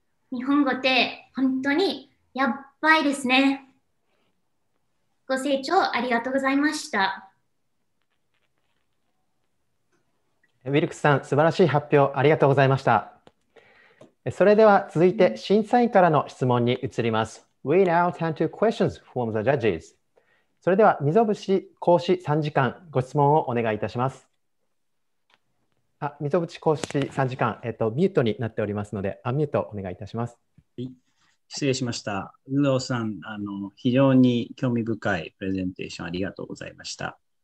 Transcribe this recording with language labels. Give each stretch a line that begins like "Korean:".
Japanese: 日本語って本当にやばいですね。ご清聴ありがとうございました。ウィルクスさん、素晴らしい発表ありがとうございました。それでは続いて審査員からの質問に移ります。
English: We now turn to questions from the judges.
Japanese: それでは溝渕講師参事官、ご質問をお願いいたします。あ、溝渕講師参事官、ミュートになっておりますので、アンミュートお願いいたします。失礼しました。宇野さん、非常に興味深いプレゼンテーションありがとうございました。